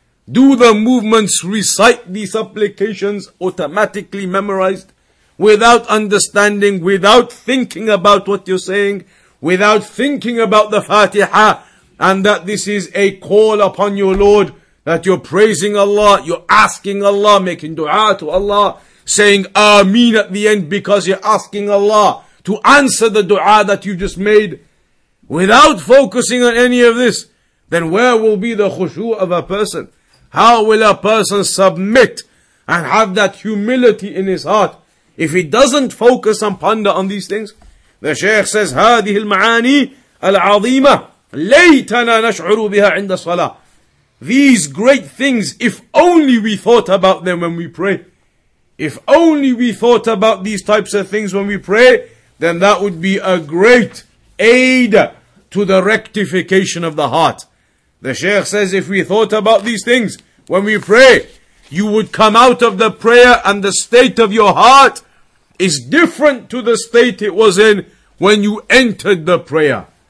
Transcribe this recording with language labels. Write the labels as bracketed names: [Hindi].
[English] Do the movements, recite the supplications automatically memorized, without understanding, without thinking about what you're saying, without thinking about the Fatiha, and that this is a call upon your Lord, that you're praising Allah, you're asking Allah, making dua to Allah, saying Ameen at the end because you're asking Allah to answer the dua that you just made. Without focusing on any of this, then where will be the khushu of a person? How will a person submit and have that humility in his heart if he doesn't focus and ponder on these things? The Shaykh says, [Arabic] هذه المعاني العظيمة ليتنا نشعر بها عند الصلاة. [English] These great things, if only we thought about them when we pray. If only we thought about these types of things when we pray, then that would be a great aid to the rectification of the heart. The Shaykh says, if we thought about these things when we pray, you would come out of the prayer and the state of your heart is different to the state it was in when you entered the prayer.